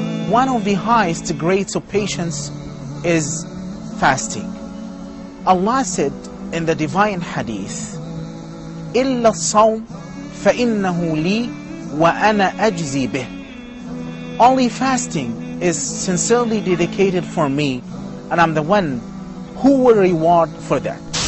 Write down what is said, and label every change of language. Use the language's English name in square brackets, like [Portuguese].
[English] One of the highest grades of patience is fasting. Allah said, in the divine hadith, [Arabic] إلا الصوم فإنه لي وأنا أجزي به. [English] Only fasting is sincerely dedicated for me, and I'm the one who will reward for that.